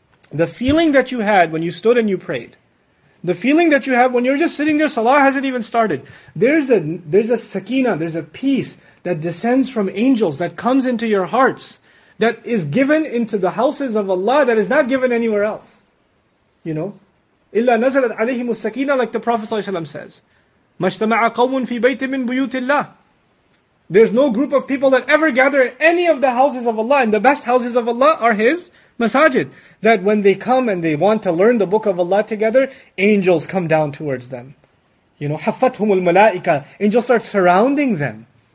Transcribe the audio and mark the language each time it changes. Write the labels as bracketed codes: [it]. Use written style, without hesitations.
[en] The feeling that you had when you stood and you prayed, the feeling that you have when you're just sitting there, salah hasn't even started. There's a sakina, there's a peace that descends from angels, that comes into your hearts, that is given into the houses of Allah, that is not given anywhere else. You know? [ar] إِلَّا نَزَلَتْ عَلَيْهِمُ السَّكِينَةِ, [en] like the Prophet ﷺ says. [ar] مَشْتَمَعَ قَوْمٌ فِي بَيْتٍ مِّن بُيُوتِ اللَّهِ. [en] There's no group of people that ever gather at any of the houses of Allah, and the best houses of Allah are His masajid. That when they come and they want to learn the book of Allah together, angels come down towards them. You know, [ar] حَفَّتْهُمُ الْمَلَائِكَةِ. [en] Angels start surrounding them.